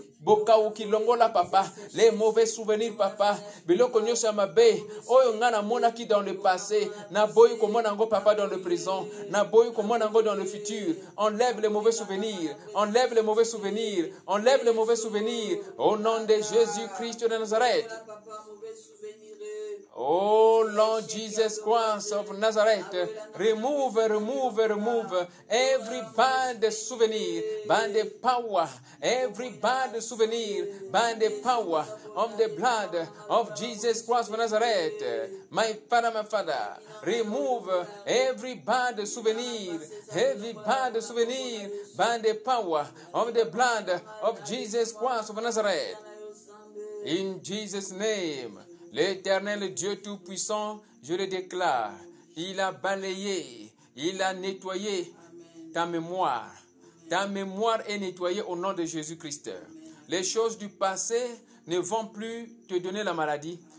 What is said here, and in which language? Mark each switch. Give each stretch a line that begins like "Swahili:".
Lingala: Boka uki longola papa,
French: les mauvais souvenirs
Lingala: papa, biloko nyoso ya mabe, oyo nga na monaki
French: dans le passé,
Lingala: na boyu komona ngo papa
French: dans le présent,
Lingala: na boyu komona ngo
French: dans le futur, enlève les mauvais souvenirs, enlève les mauvais souvenirs, enlève les mauvais souvenirs, au nom de Jésus-Christ de Nazareth.
English: Oh Lord Jesus Christ of Nazareth, remove, remove, remove every bad souvenir by the power, every bad souvenir by the power of the blood of Jesus Christ of Nazareth. My Father, remove every bad souvenir, every bad souvenir by the power of the blood of Jesus Christ of Nazareth. In Jesus' name.
French: L'Éternel Dieu Tout-Puissant, je le déclare, il a balayé, il a nettoyé ta mémoire. Ta mémoire est nettoyée au nom de Jésus-Christ. Les choses du passé ne vont plus te donner la maladie.